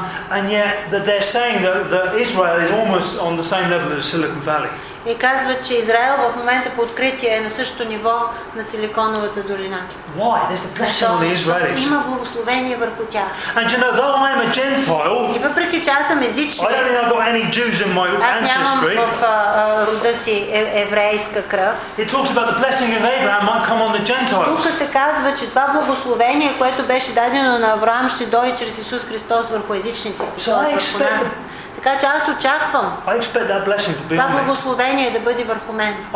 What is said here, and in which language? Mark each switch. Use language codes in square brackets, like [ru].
[en] And yet that they're saying that Israel is almost on the same level as Silicon Valley. [bg] И казват, че Израел в момента по откритие е на същото ниво на силиконовата долина. [en] Why? There's a blessing on the Israelis. [bg] Има благословение върху тях. [en] And you know, though I'm a Gentile. [bg] И въпреки че аз съм езичник. [en] I don't think I've got any Jews in my ancestry. [bg] Аз нямам в рода си еврейска кръв. [en] It talks about the blessing of Abraham might come on the Gentiles. [bg] Тук се казва, че това благословение, което беше дадено на Авраам, ще дойде чрез Исус Христос върху езичниците. Така че аз очаквам това благословение да бъде върху мен.